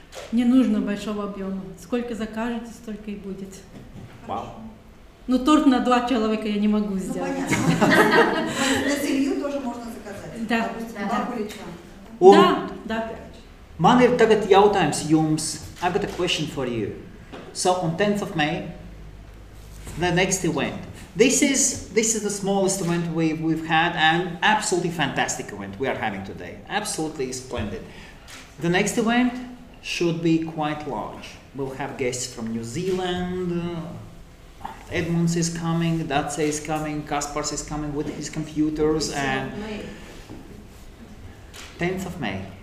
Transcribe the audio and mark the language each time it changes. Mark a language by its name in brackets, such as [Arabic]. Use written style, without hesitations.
[Russian] Мне нужно большого объема. Сколько закажете, столько и будет. Вау. Ну, торт на два человека я не могу сделать. Ну, понятно. На семью тоже можно заказать. Да. Допустим, два куличка. Да, да. [Latvian] Man ir tagad jautājums jums. [English] I've got a question for you. So, on 10th of May, the next event. This is the smallest event we've had, and absolutely fantastic event we are having today. Absolutely splendid. The next event should be quite large. We'll have guests from New Zealand. Edmunds is coming, Datsa is coming, Kaspars is coming with his computers, and 10th of May.